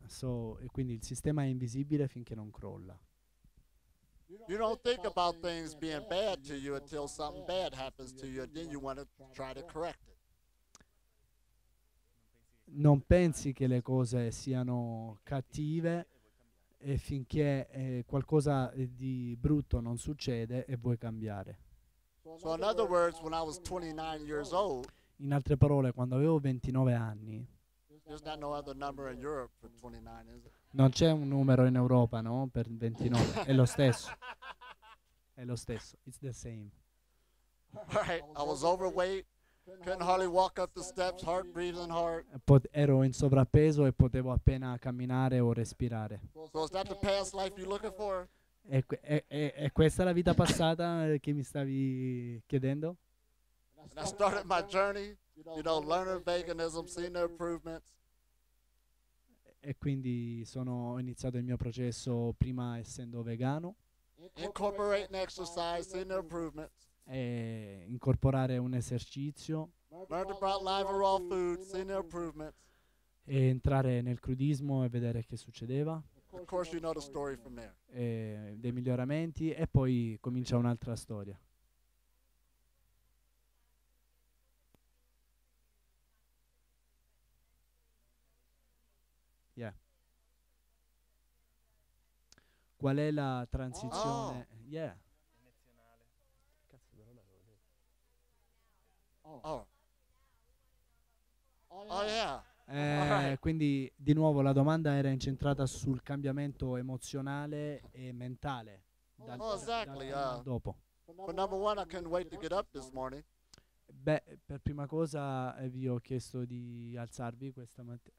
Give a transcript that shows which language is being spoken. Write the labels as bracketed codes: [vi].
[it] So, e quindi il sistema è invisibile finché non crolla. [en] You don't think about things being bad to you until something bad happens to you, and then you want to try to correct it. [it] Non pensi che le cose siano cattive e finché qualcosa di brutto non succede e vuoi cambiare. [en] So in other words, when I was 29 years old, [it] in altre parole, quando avevo 29 anni. [en] There's not no other number in Europe for 29, is it? [it] Non c'è un numero in Europa, no? Per 29. È lo stesso. È lo stesso. [en] It's the same. Right. I was overweight. Couldn't hardly walk up the steps, heart breathing hard. [it] Ero in sovrappeso e potevo appena camminare o respirare. [en] So is that the past life you're looking for? [it] È questa la vita passata che mi stavi chiedendo? [en] And I started my journey, you know, learning veganism, seeing the improvements. [it] E quindi sono iniziato il mio processo prima essendo vegano. [en] Incorporating exercise, seeing the improvements. [it] E incorporare un esercizio. [en] Learned about live and raw food, seeing the improvements. [it] E entrare nel crudismo e vedere che succedeva. [en] Of course you know the story from there. [it] E dei miglioramenti e poi comincia un'altra storia. Qual è la transizione? Oh. Yeah. Nazionale. Cazzo, però la cosa. Oh yeah. Quindi di nuovo la domanda era incentrata sul cambiamento emozionale e mentale. Dopo. [en] But number one, I couldn't wait to get up this morning. [it] Beh, per prima cosa vi ho chiesto di alzarvi questa mattina.